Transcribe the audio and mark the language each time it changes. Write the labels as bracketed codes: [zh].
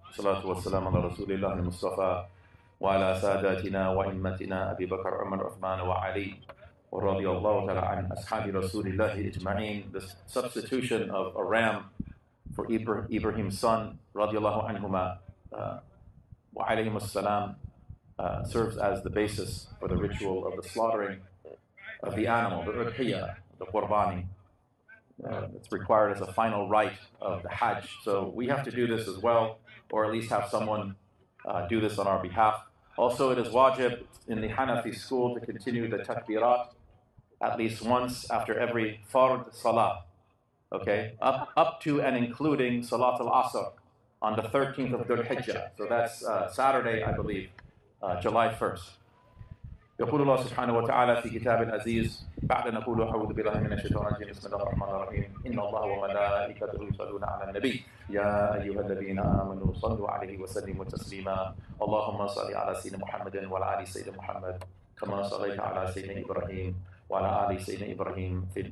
[ar] الصلاة والسلام على رسول الله المصطفى وعلى ساداتنا وإمتنا أبي بكر عمر عثمان وعلي رضي الله تعالى عن أصحاب رسول الله أجمعين. [en] The substitution of a ram for Ibrahim's son [ar] رضي الله عنهما وعليهم السلام [en] serves as the basis for the ritual of the slaughtering of the animal, the udhiya, the qurbani. It's required as a final rite of the Hajj. So we have to do this as well, or at least have someone do this on our behalf. Also, it is wajib in the Hanafi school to continue the takbirat at least once after every fard salah, okay? Up to and including Salat al-Asr on the 13th of Dhul-Hijjah. So that's Saturday, I believe, July 1st. [ar] يقول الله سبحانه وتعالى في كتاب العزيز بعد نقول أعوذ بالله من الشيطان الرجيم بسم الله الرحمن الرحيم إن الله وملائكته يصلون على النبي يا أيها الذين آمنوا صلوا عليه وسلموا تسليما اللهم صل على سيدنا محمد وعلى آل سيدنا محمد كما صليت على سيدنا إبراهيم وعلى آل سيدنا إبراهيم